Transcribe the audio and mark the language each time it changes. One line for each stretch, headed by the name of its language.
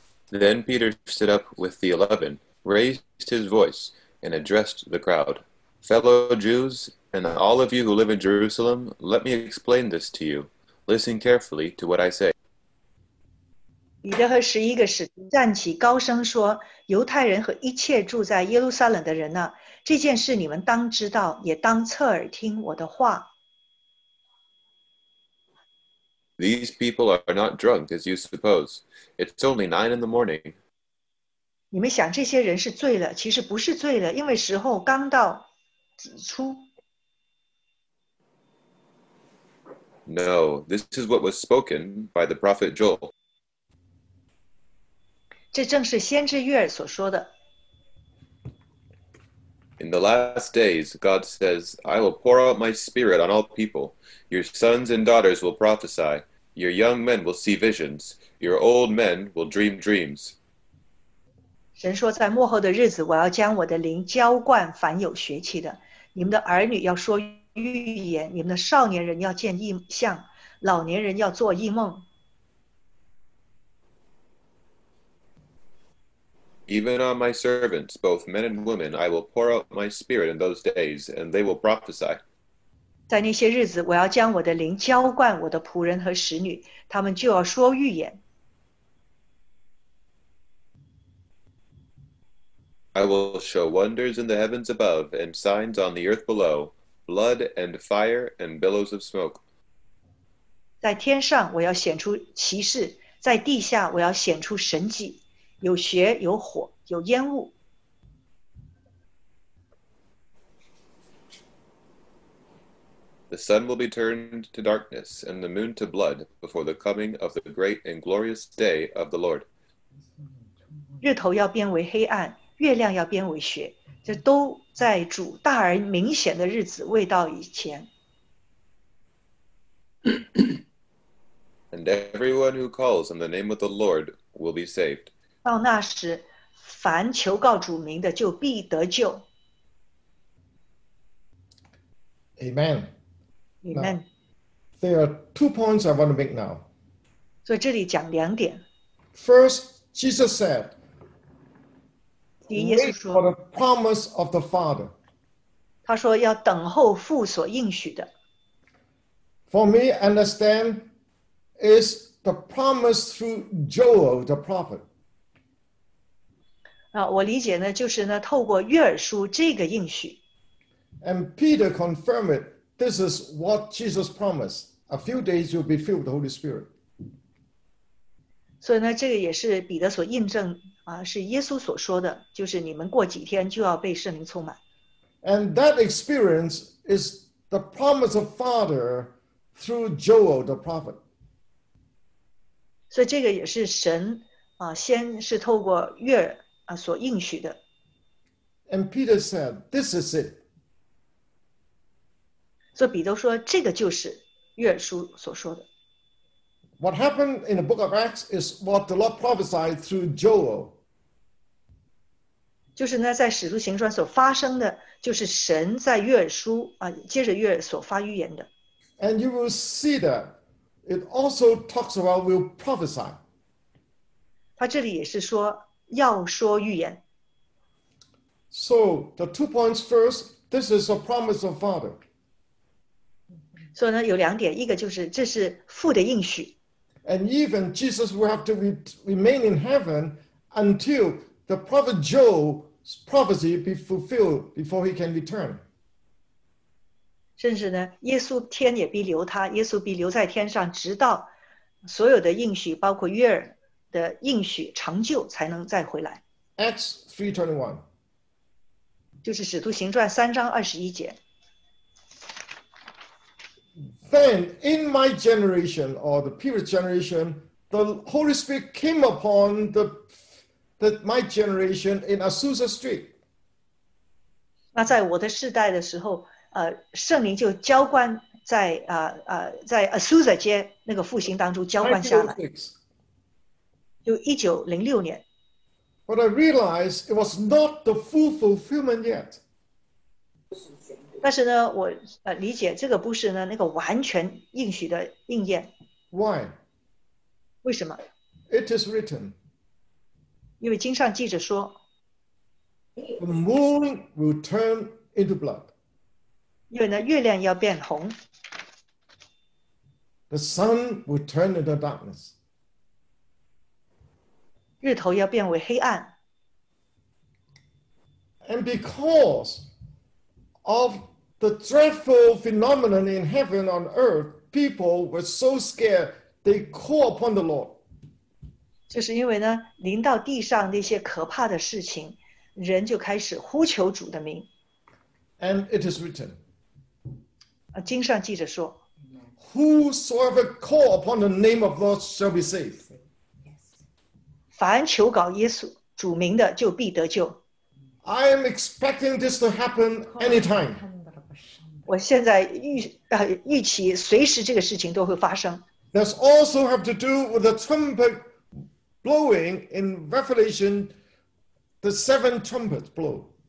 English: Then Peter stood up with the 11, raised his voice, and addressed the crowd. Fellow Jews, and all of you who live in Jerusalem, let me explain this to you. Listen carefully to what I say.
Chinese: 彼得和十一个使徒站起高声说，犹太人和一切住在耶路撒冷的人呢，这件事你们当知道，也当侧耳听我的话。
English: These people are not drunk as you suppose. It's only 9 a.m.
Chinese: 你们想这些人是醉了，其实不是醉了，因为时候刚到子初。
English: No, this is what was spoken by the prophet Joel.
Chinese: 这正是先知约珥所说的。
English: In the last days, God says, I will pour out my spirit on all people. Your sons and daughters will prophesy. Your young men will see visions. Your old men will dream dreams.
Chinese: 神说，在末后的日子，我要将我的灵浇灌凡有血气的。你们的儿女要说预言，你们的少年人要见异象，老年人要做异梦。
English: Even on my servants, both men and women, I will pour out my spirit in those days, and they will prophesy.
Chinese: 在那些日子，我要将我的灵浇灌我的仆人和使女，他们就要说预言。
English: I will show wonders in the heavens above and signs on the earth below, blood and fire and billows of smoke.
Chinese: 在天上，我要显出奇事，在地下，我要显出神迹。有血，有火，有烟雾。
English: The sun will be turned to darkness and the moon to blood before the coming of the great and glorious day of the Lord.
Chinese: 日头要变为黑暗，月亮要变为血，这都在主大而明显的日子未到以前。
English: And everyone who calls on the name of the Lord will be saved.
Chinese: 到那时，凡求告主名的就必得救。
English: Amen. Amen. Now, there are two points I want to make now.
Chinese: 所以这里讲两点。
English: First, Jesus said, "Wait for the promise of the Father."
Chinese: 他说要等候父所应许的。
English: For me, understand is the promise through Joel the prophet.
Chinese: 我理解呢，就是呢，透过约珥书这个应许。
English: And Peter confirmed it. This is what Jesus promised. A few days you'll be filled with the Holy Spirit.
Chinese: 所以呢，这个也是彼得所印证啊，是耶稣所说的，就是你们过几天就要被圣灵充满。
English: And that experience is the promise of Father through Joel the prophet.
Chinese: 所以这个也是神啊，先是透过约珥。所应许的。
English: And Peter said, "This is it."
Chinese: 所以彼得说，这个就是约珥书所说的。
English: What happened in the book of Acts is what the Lord prophesied through Joel.
Chinese: 就是呢，在使徒行传所发生的，就是神在约珥书接着约珥所发预言的。
English: And you will see that it also talks about will prophesy.
Chinese: 他这里也是说。要说预言。
English: So, the two points first, this is a promise of Father.
Chinese: 所以呢，有两点，一个就是这是父的应许。
English: And even Jesus will have to remain in heaven until the prophet Joel's prophecy be fulfilled before he can return.
Chinese: 甚至呢，耶稣天也必留他，耶稣必留在天上，直到所有的应许，包括约珥。的应许成就才能再回来。
English: Acts 3:21，
Chinese: 就是《使徒行传》3:21。
English: Then in my generation or the previous generation, the Holy Spirit came upon the my generation in Azusa Street.
Chinese: 那在我的世代的时候，圣灵就浇灌在在 Azusa 街那个复兴当中浇灌下来。就1906年。
English: But I realized it was not the full fulfillment yet.
Chinese: 但是呢，我理解这个不是呢那个完全应许的应验。
English: Why?
Chinese: 为什么？
English: It is written.
Chinese: 因为经上记着说,
English: the moon will turn into blood.
Chinese: 因为呢月亮要变红。
English: The sun will turn into darkness.
Chinese: 日头要变为黑暗。
English: And because of the dreadful phenomenon in heaven on earth, people were so scared, they called upon the Lord.
Chinese: 就是因为呢, 临到地上那些可怕的事情, 人就开始呼求主的名。
English: And it is written,
Chinese: 经上记着说,
English: whosoever call upon the name of the Lord shall be saved.
Chinese: 凡求告耶稣, 主名的就必得救。
English: I am expecting this to happen anytime.
Chinese: 我现在预期随时这个事情都会发生。
English: This also have to do with the trumpet blowing in Revelation, the seven trumpets blow.